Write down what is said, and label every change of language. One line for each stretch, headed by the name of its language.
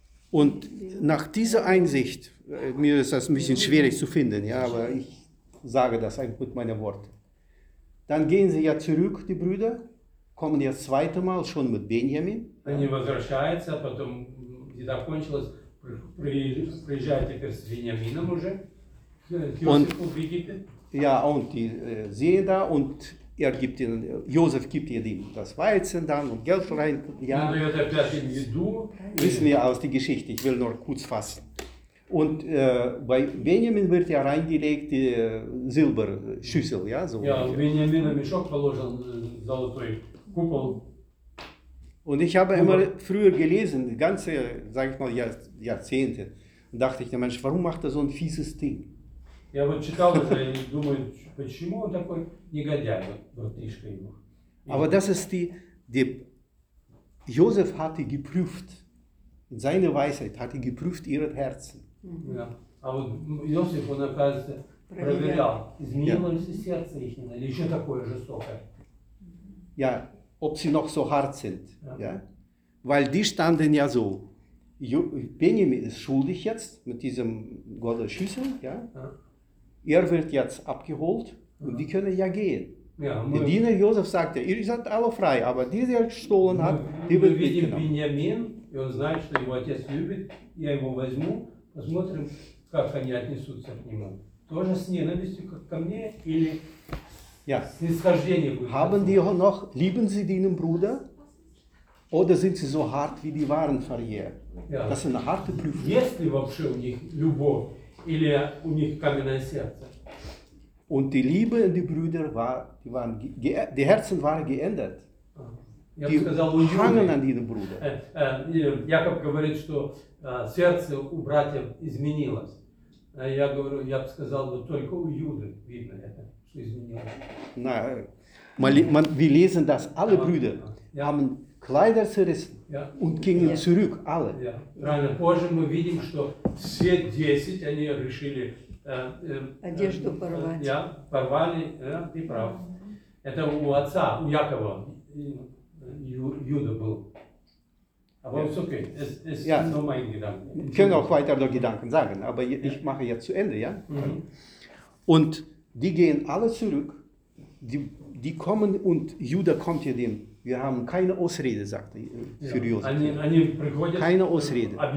German: Und nach dieser Einsicht, mir ist das ein bisschen schwierig zu finden, ja, aber ich sage das einfach mit meinen Worten. Dann gehen sie ja zurück, die Brüder, kommen jetzt zweite Mal schon mit Benjamin.
Russian: Они возвращаются, потом еда кончилась, приезжают теперь с Вениамином уже.
German: Und ja, und die sehen da und er gibt ihnen, Josef gibt ihnen das Weizen dann und Geld rein. Ja, wissen wir aus der Geschichte, ich will nur kurz fassen. Und bei Benjamin wird ja reingelegt die Silberschüssel. Ja, so. Ja, Benjamin hat Mischok verloren, золотой Kupol. Und ich habe immer früher gelesen, ganze, sag ich mal, Jahrzehnte, und dachte ich, Mensch, warum macht er so ein fieses Ding?
Russian: Я вот читал уже и думаю, почему он такой негодяй, вот братишка его.
German: Aber das ist die Josef hatte geprüft, in seiner Weisheit hatte geprüft ihre Herzen. Ja, aber Josef,
Russian: он, оказывается, проверял, изменило ли сердце их, или еще такое жестокое.
German: Ja, ob sie noch so hart sind, ja. Weil die standen ja so. Benjamin ist schuldig jetzt mit diesem goldenen Schüssel, ja. Er wird jetzt abgeholt und die können ja gehen. Ja, der Diener Josef sagte, ihr seid alle frei, aber die, der gestohlen hat, die wird mitgenommen. Wir sehen Benjamin und er weiß, dass er seinen Vater liebt. Ich nehme ihn und schaue, wie sie sich zu ihm verhalten. Auch mit Neidigkeit zu mir oder ja.
Russian: Снисхождение будет.
German: Haben die noch, lieben sie deinen Bruder? Oder sind sie so hart wie die waren vorher? Ja. Das ist eine harte Prüfung.
Russian: Есть ли вообще у них любовь? Или у них каменное сердце?
German: Und die Liebe in die Brüder war, die waren, die Herzen waren geändert. Die hangen an ihren Bruder.
Russian: Jakob говорит, что сердце у братьев изменилось. Я говорю, я бы сказал, только у Юды видно это.
German: Nein, wir lesen das, alle Brüder ja. haben Kleider zerrissen ja. und gingen ja. zurück, alle. Ja. Ja.
Russian: Позже мы видим, что все 10, они решили одежду порвать. Ja, порвали, ты прав. Это у отца, у Якова, Юда был.
German: Aber ja. Okay. Es ja. ist nur mein Gedanke. Wir können auch weiter noch Gedanken sagen, aber ja. ich mache jetzt zu Ende, ja? Mhm. Und die gehen alle zurück, die kommen und Judah kommt hier dem. Wir haben keine Ausrede, sagt er für ja, Josef. Keine Ausrede.